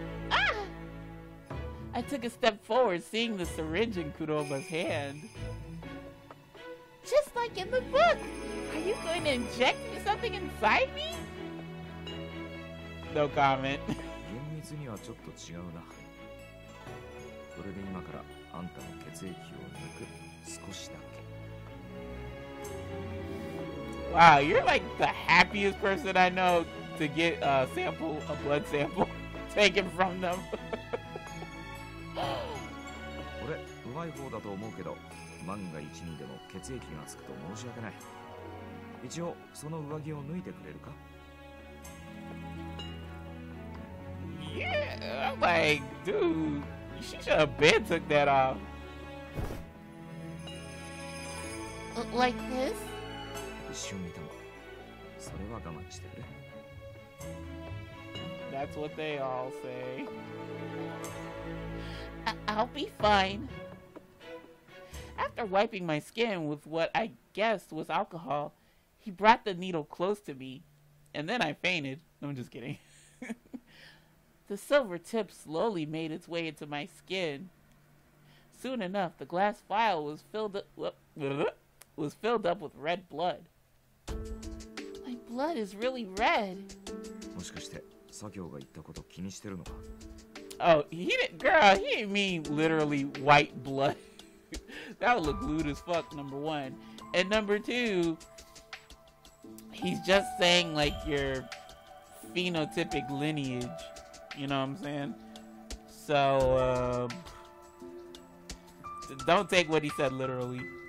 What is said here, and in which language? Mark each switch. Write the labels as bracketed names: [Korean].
[English] Ah! I took a step forward, seeing the syringe in Kuroba's hand. Just like in the book! Are you going to inject me something inside me? No comment. [Japanese] 厳密にはちょっと違うな。それで今からあんたの血液を抜く少しだけ。 [English] Wow, you're like the happiest person I know to get a sample, a blood sample taken from them. [Japanese] 俺、うまい方だと思うけど。万が一にでも血液がつくと申し訳ない。一応その上着を脱いでくれるか。 [English] Yeah, I'm like, dude, she should have been took that off. Like this? [Japanese] 一瞬見たの。それは我慢してくれ。 [English] That's what they all say. I'll be fine. After wiping my skin with what I guessed was alcohol, he brought the needle close to me, and then I fainted. I'm just kidding. The silver tip slowly made its way into my skin. Soon enough, the glass vial was filled up with red blood. My blood is really red. [Japanese] もしかして、作業が言ったこと気にしてるのか? [English] Oh, he didn't, girl, he didn't mean literally white blood. That would look lewd as fuck, number one. And number two, he's just saying like your phenotypic lineage. You know what I'm saying? So, don't take what he said literally.